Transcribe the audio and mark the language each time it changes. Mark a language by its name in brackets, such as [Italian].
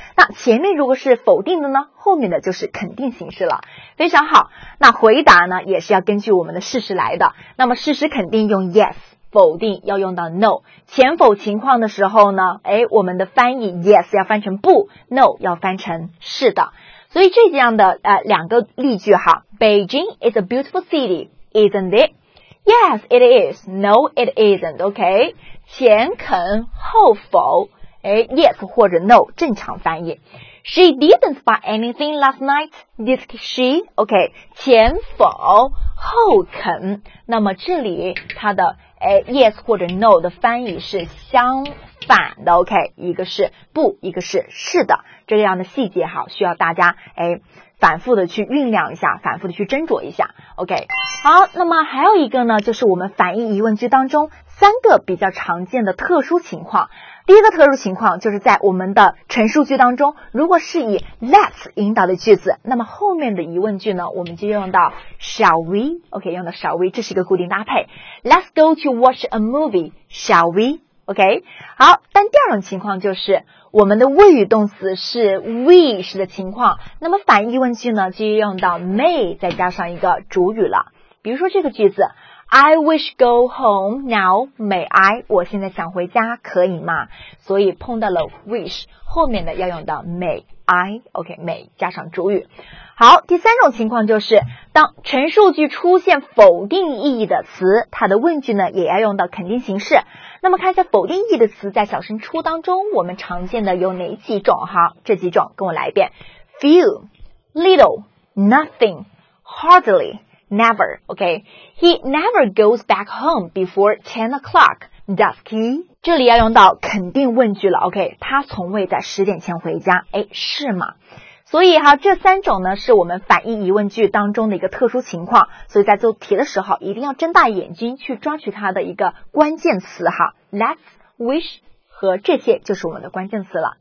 [Chinese] 那前面如果是否定的呢，后面的就是肯定形式了。非常好，那回答呢也是要根据我们的事实来的。那么事实肯定用 yes，否定要用到 no， 前否情况的时候呢，我们的翻译 yes 要翻成不， no 要翻成是的。所以这样的两个例句哈， [English] Beijing is a beautiful city, isn't it? Yes, it is. No, it isn't. [Chinese] OK， 前肯后否，yes 或者 no 正常翻译。 [English] She didn't buy anything last night, did she? [Chinese] OK， 前否后肯，那么这里它的yes 或者 no 的翻译是相反的。 OK， 一个是不，一个是是的，这样的细节好需要大家反复的去酝酿一下，反复的去斟酌一下。 OK， 好，那么还有一个呢，就是我们反义疑问句当中三个比较常见的特殊情况。第一个特殊情况就是在我们的陈述句当中，如果是以 let's 引导的句子，那么后面的疑问句呢我们就用到 shall we， OK， 用到 shall we， 这是一个固定搭配。 [English] Let's go to watch a movie， shall we， OK。 [Chinese] 好，但第二种情况就是我们的谓语动词是 wish 的情况，那么反疑问句呢就用到 may 再加上一个主语了。比如说这个句子， [English] I wish go home now, may I? [Chinese] 我现在想回家，可以吗？所以碰到了 wish， 后面的要用到 [English] may I, [Chinese] OK, may 加上主语。好，第三种情况就是当陈述句出现否定意义的词，它的问句呢也要用到肯定形式。那么看一下否定意义的词在小升初当中我们常见的有哪几种哈，这几种跟我来一遍。 [English] Few, little, nothing, hardly,Never, OK. He never goes back home before 10 o'clock, does he? [Chinese] 这里要用到肯定问句了， OK. 他从未在10点前回家，是吗？所以哈，这三种呢是我们反义疑问句当中的一个特殊情况，所以在做题的时候一定要睁大眼睛去抓取它的一个关键词哈。 Let's, wish 和这些就是我们的关键词了。